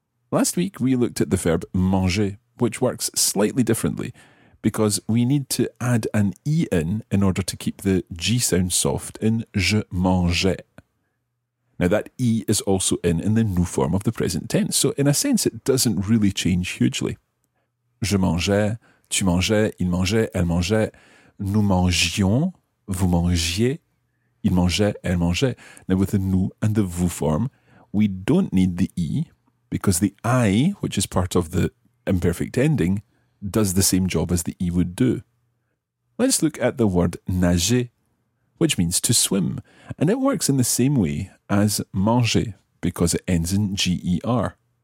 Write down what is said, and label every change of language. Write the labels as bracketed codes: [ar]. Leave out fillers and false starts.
[en] Last week we looked at the verb manger, which works slightly differently because we need to add an E in order to keep the G sound soft in [fr] je mangeais. [en] Now that E is also in the new form of the present tense, so in a sense it doesn't really change hugely. [fr] Je mangeais, tu mangeais, il mangeait, elle mangeait, nous mangions, vous mangiez, il mangeait, elle mangeait. [en] Now with the nous and the vous form, we don't need the E because the I, which is part of the imperfect ending, does the same job as the E would do. Let's look at the word nager, which means to swim, and it works in the same way as manger because it ends in G-E-R.